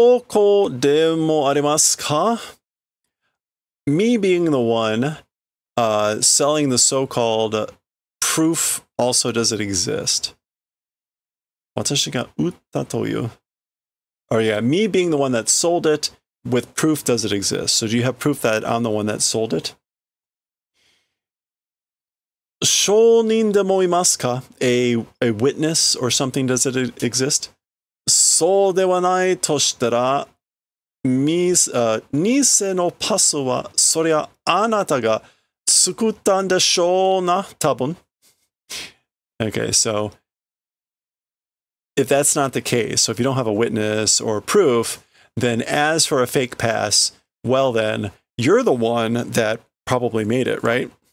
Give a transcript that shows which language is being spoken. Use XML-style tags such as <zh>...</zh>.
<ja>わたしが売ったという証拠でもありますか?</ja> <en>Me being the one selling the so-called proof, also does it exist?</en> <ja>わたしが売ったという.</ja> <en>Oh yeah, me being the one that sold it with proof, does it exist? So do you have proof that I'm the one that sold it?</en> <ja>証人でもいますか?</ja> <en>A witness or something, does it exist?</en> <ja>そうではないとしたら、偽のパスはそりゃあなたが作ったんでしょうな、多分.</ja> <en>Okay, so if that's not the case, so if you don't have a witness or proof, then as for a fake pass, well then, you're the one that probably made it, right?</en>